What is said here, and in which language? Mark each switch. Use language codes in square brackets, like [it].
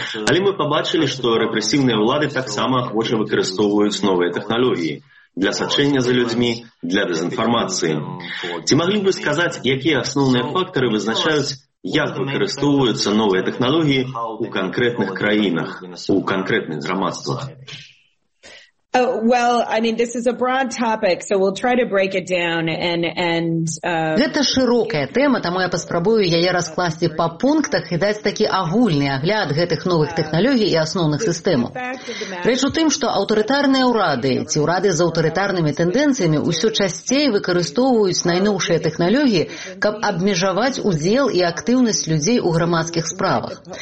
[be] Але мы пабачылі, што рэпрэсіўныя ўлады таксама ахвоча выкарыстоўваюць новыя тэхналогіі для сачэння за людзьмі, для дэзінфармацыі. Ці маглі б вы сказаць, якія асноўныя фактары вызначаюць, як выкарыстоўваюцца новыя тэхналогіі ў канкрэтных краінах, у канкрэтных грамадствах? [en] This is a broad topic, so we'll try to break it down [be] Гэта шырокая тэма, таму я паспрабую яе раскласці па пунктах і даць такі агульны агляд гэтых новых тэхналогій і асноўных сістэм. Рэч у тым, што аўтарытарныя ўрады ці ўрады з аўтарытарнымі тэндэнцыямі ўсё часцей выкарыстоўваюць найноўшыя тэхналогіі, каб абмежаваць удзел і актыўнасць людзей у грамадскіх справах.